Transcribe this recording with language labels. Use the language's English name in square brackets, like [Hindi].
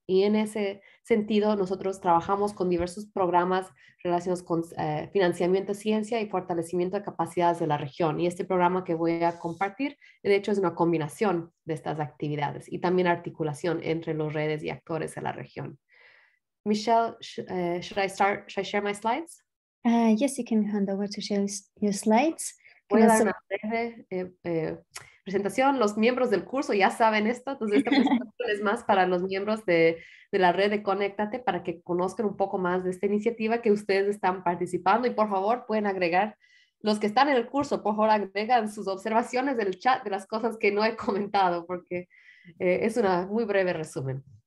[Spanish] Y en ese sentido, nosotros trabajamos con diversos programas relacionados con financiamiento de ciencia y fortalecimiento de capacidades de la región. Y este programa que voy a compartir, de hecho, es una combinación de estas actividades y también articulación entre las redes y actores de la región. [English] Michelle, should I share my slides? Yes, you can hand over to share your slides. [Spanish] Voy a dar una breve presentación. Los miembros del curso ya saben esto, entonces esta presentación es más para los miembros de la red de Conéctate para que conozcan un poco más de esta iniciativa que ustedes están participando y por favor pueden agregar, los que están en el curso, por favor agregan sus observaciones del chat de las cosas que no he comentado porque es una muy breve resumen.